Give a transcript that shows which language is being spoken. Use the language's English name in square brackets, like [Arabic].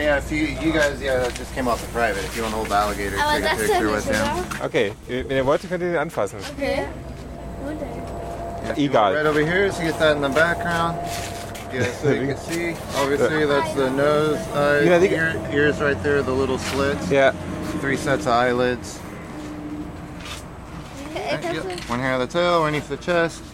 [English] You guys, just came off the private. If you want to hold the alligator, [German] aber [English] take a picture with him. [German] Okay, wenn ihr wollt, könnt ihr den anfassen. [English] Okay. [German] Yeah, egal. [English] Right over here, so you get that in the background. Yeah, so you can see. Obviously, that's the nose, eyes, ears right there, the little slits. Yeah. Three sets of eyelids. One hair on the tail, one of the chest.